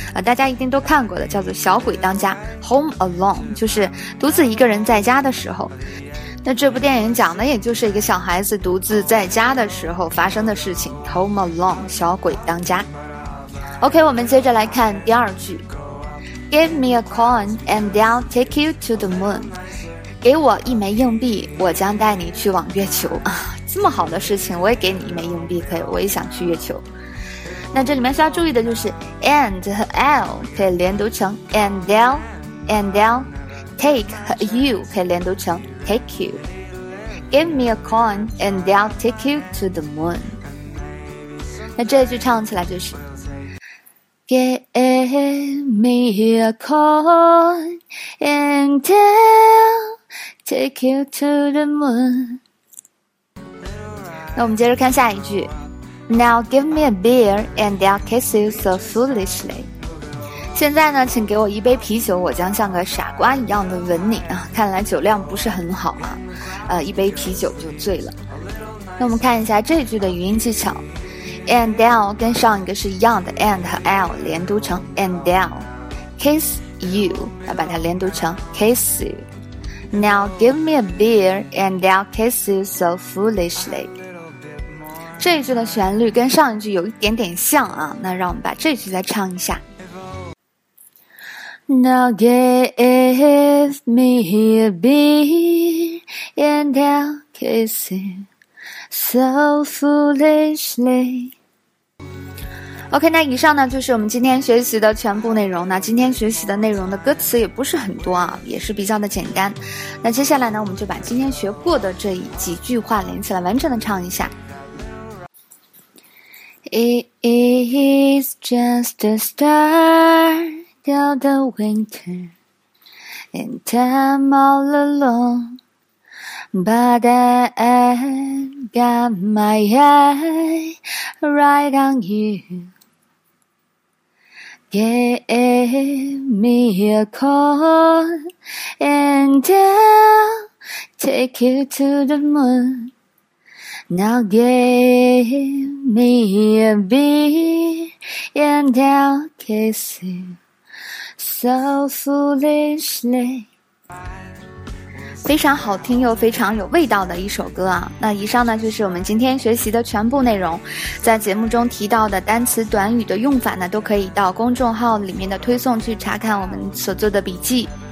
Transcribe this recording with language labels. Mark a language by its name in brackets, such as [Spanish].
[Chinese] 大家一定都看过的，叫做《小鬼当家》。Home Alone 就是独自一个人在家的时候。那这部电影讲的也就是一个小孩子独自在家的时候发生的事情。 Home Alone， 小鬼当家。 OK， 我们接着来看第二句。 [English] Give me a coin and I'll take you to the moon。 [Chinese] 给我一枚硬币，我将带你去往月球。这么好的事情，我也给你一枚硬币可以，我也想去月球。那这里面需要注意的就是 and 和 I'll 可以连读成 [English] and I'll and I'll， [Chinese] take 和 you 可以连读成 [English] take you。 Give me a coin and I'll take you to the moon。 [Chinese] 那这一句唱起来就是 [English] me a call and tell take you to the moon. [Chinese] 那我们接着看下一句。 [English] Now give me a beer and I'll kiss you so foolishly. [Chinese] 现在呢，请给我一杯啤酒，我将像个傻瓜一样的吻你啊！看来酒量不是很好啊，一杯啤酒就醉了。那我们看一下这句的语音技巧。 And I'll 跟上一个是一样的 ，and 和 I'll 连读成 [English] And I'll kiss you， [Chinese] 要把它连读成 [English] kiss you。 Now give me a beer and I'll kiss you so foolishly。 [Chinese] 这一句的旋律跟上一句有一点点像啊，那让我们把这句再唱一下。 [English] Now give me a beer and I'll kiss you so foolishly。 [Chinese] OK， 那以上呢就是我们今天学习的全部内容。那今天学习的内容的歌词也不是很多啊，也是比较的简单。那接下来呢，我们就把今天学过的这几句话连起来，完整的唱一下。 [English] It is just the start of the winter, and I'm all alone, but I've got my eye right on you. Give me a call and I'll take you to the moon. Now give me a beer and I'll kiss you so foolishly. [Chinese] 非常好听又非常有味道的一首歌啊。那以上呢就是我们今天学习的全部内容，在节目中提到的单词短语的用法呢，都可以到公众号里面的推送去查看我们所做的笔记。